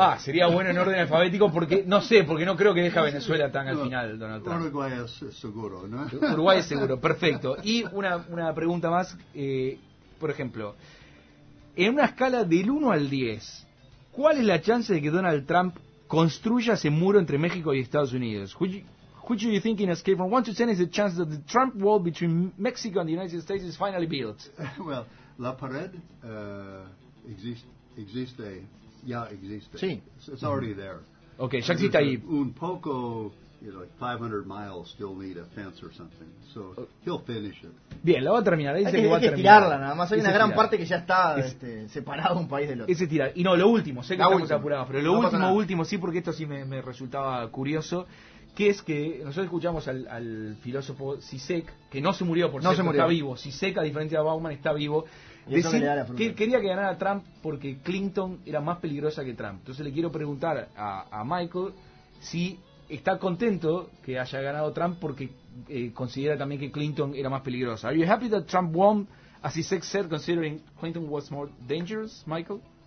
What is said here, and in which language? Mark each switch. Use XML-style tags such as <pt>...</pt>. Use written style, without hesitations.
<es>Ah, sería bueno en orden alfabético porque, no sé, porque no creo que deje a Venezuela tan al final, Donald Trump. Uruguay es seguro, ¿no? Uruguay es seguro, perfecto. Y una pregunta más, por ejemplo, en una escala del 1 al 10, ¿cuál es la chance de que Donald Trump construya ese muro entre México y Estados Unidos?</es> <en>Which do you think in a scale from 1 to 10 is the chance that the Trump wall between Mexico and the United States is finally built?</en> <es>Well, la pared existe. Sí.</es> <en>It's already there.</en> <es>Okay, ya existe ahí. Un poco,</es> <en>like 500 miles still need a fence or something. So he'll finish it.</en> <es>Bien, lo va a terminar. Dice que va a terminar. Hay que tirarla, nada más. Hay una gran parte que ya está separada de un país del otro. Ese tirar. Y no, lo último. Sé que estamos apurados, pero lo último, último, sí, porque esto sí me resultaba curioso. Que es que nosotros escuchamos al filósofo Zizek, que no se murió, por no cierto, se murió. Está vivo. Zizek, a diferencia de Bauman, está vivo. Y decir que, que quería que ganara Trump porque Clinton era más peligrosa que Trump. Entonces le quiero preguntar a Michael si está contento que haya ganado Trump porque considera también que Clinton era más peligrosa.</es> <en>Are you happy that Trump won, as Zizek said, considering Clinton was more dangerous, Michael?</en>